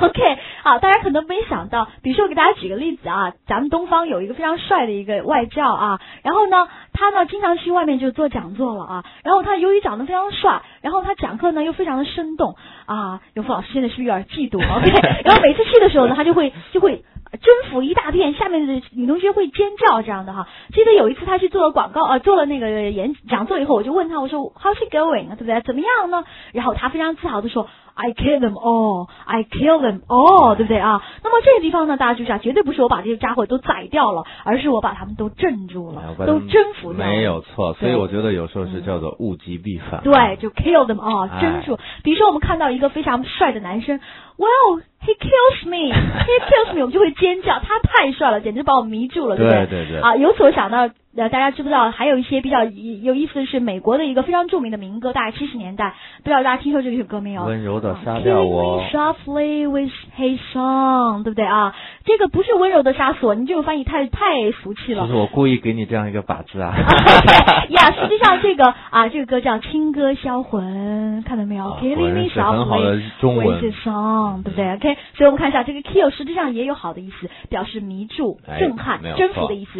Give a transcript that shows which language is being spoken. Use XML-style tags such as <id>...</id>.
<en>OK，</en> <zh>好，大家可能没想到，比如说我给大家举个例子啊，咱们东方有一个非常帅的一个外教啊，然后呢，他呢经常去外面就做讲座了啊，然后他由于长得非常帅，然后他讲课呢又非常的生动啊，永峰老师现在是不是有点嫉妒 ？OK， 然后每次去的时候呢，他就会。征服一大片，下面的女同学会尖叫这样的哈。记得有一次他去做了广告啊、做了那个演讲座以后，我就问他，我说</zh> <en>How's it going？</en> <zh>对不对？怎么样呢？然后他非常自豪的说</zh> <en>I kill them all， I kill them all，</en> <zh>对不对啊？那么这个地方呢，大家就想，绝对不是我把这些家伙都宰掉了，而是我把他们都镇住了，都征服了。没有错，所以我觉得有时候是叫做物极必反。对，就</zh> <en>kill them all，</en> <zh>镇住。比如说我们看到一个非常帅的男生 ，</zh> <en>Well。He kills me, he kills me，</en> <zh>我们就会尖叫。他太帅了，简直把我迷住了，对不对？对对对。啊，由此我想到大家知不知道还有一些比较有意思的是美国的一个非常著名的民歌，大概70年代，不知道大家听说这首歌没有，温柔的杀掉我、</zh> <en>Softly with his song， 对不对啊？</en> <zh>这个不是温柔的杀死我，你这个翻译太俗气了，就是我故意给你这样一个把字啊呀实际上这个啊，这个歌叫轻歌销魂，看到没有、</zh> <en>Killing me softly with his song，</en> <zh>对不对</zh> <en>OK，</en> <zh>所以我们看一下这个 kill 实际上也有好的意思，表示迷住、震撼、征服的意思。</zh>